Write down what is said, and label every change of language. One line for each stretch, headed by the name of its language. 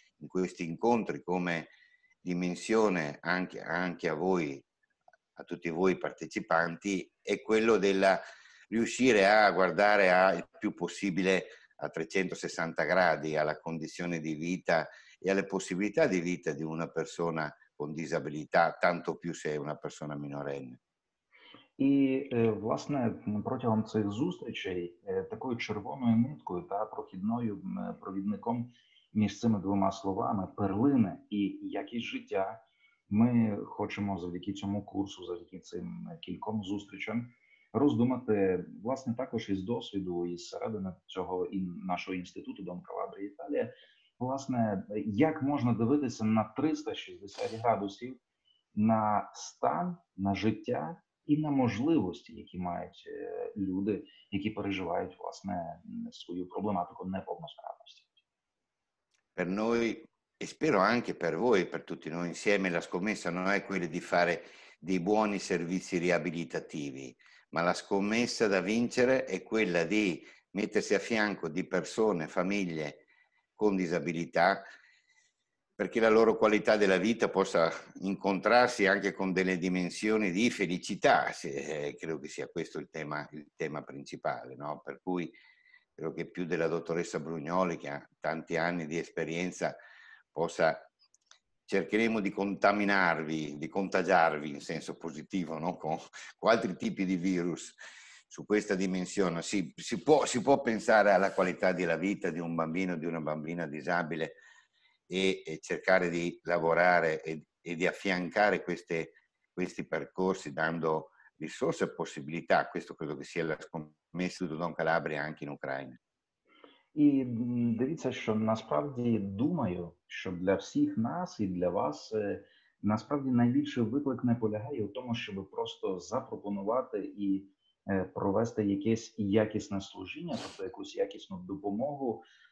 Italian: in questi incontri come dimensione anche a voi, a tutti voi partecipanti, è quello della riuscire a guardare a, il più possibile a 360 gradi alla condizione di vita e alle possibilità di vita di una persona con disabilità, tanto più se è una persona minorenne.
Ukrainian: І, власне, протягом цих зустрічей такою червоною ниткою та прохідною провідником між цими двома словами «перлина» і «якість життя» ми хочемо завдяки цьому курсу, завдяки цим кільком зустрічам роздумати, власне, також із досвіду, із середини цього і нашого інституту «Дон Калабрі Італія», власне, як можна дивитися на 360 градусів на стан, на життя і на можливості, які мають люди, які переживають, власне, свою проблематику неповносправності.
Italian: Per noi, e spero anche per voi, per tutti noi insieme, la scommessa non è quella di fare dei buoni servizi riabilitativi, ma la scommessa da vincere è quella di mettersi a fianco di persone, famiglie con disabilità, perché la loro qualità della vita possa incontrarsi anche con delle dimensioni di felicità, credo che sia questo il tema principale, no? Per cui credo che più della dottoressa Brugnoli, che ha tanti anni di esperienza, possa cercheremo di contaminarvi, di contagiarvi in senso positivo, no? Con altri tipi di virus su questa dimensione. Si può pensare alla qualità della vita di un bambino o di una bambina disabile e cercare di lavorare e di affiancare questi percorsi dando risorse e possibilità. Questo credo che sia la scommessa di Don Calabria anche in Ucraina.
Ukrainian: І дивіться, що насправді думаю, що для всіх нас і для вас насправді найбільший виклик не полягає у тому, щоб просто запропонувати і провести якесь якісне служіння, тобто якусь якісну допомогу.